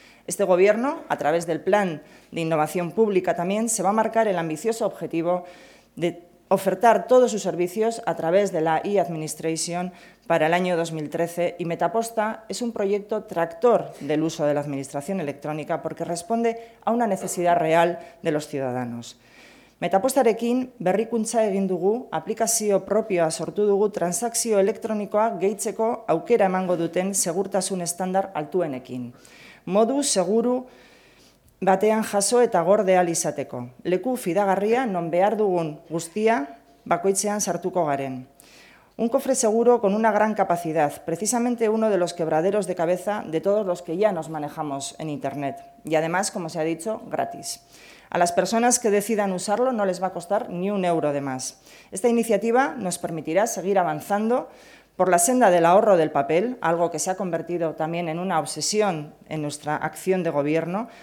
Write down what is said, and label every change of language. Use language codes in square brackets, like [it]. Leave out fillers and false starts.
[es] Este Gobierno, a través del Plan de Innovación Pública también, se va a marcar el ambicioso objetivo de ofertar todos sus servicios a través de la e-administration para el año 2013 y Metaposta es un proyecto tractor del uso de la administración electrónica porque responde a una necesidad real de los ciudadanos. [eu] Metapostarekin berrikuntza egin dugu, aplikazio propioa sortu dugu transakzio elektronikoa gehitzeko aukera emango duten segurtasun estandar altuenekin. Modu seguru batean jaso eta gorde ahal izateko. Leku fidagarria non behar dugun guztia bakoitzean sartuko garen. [es] Un cofre seguro con una gran capacidad, precisamente uno de los quebraderos de cabeza de todos los que ya nos manejamos en Internet. Y además, como se ha dicho, gratis. A las personas que decidan usarlo no les va a costar ni un euro de más. Esta iniciativa nos permitirá seguir avanzando por la senda del ahorro del papel, algo que se ha convertido también en una obsesión en nuestra acción de gobierno.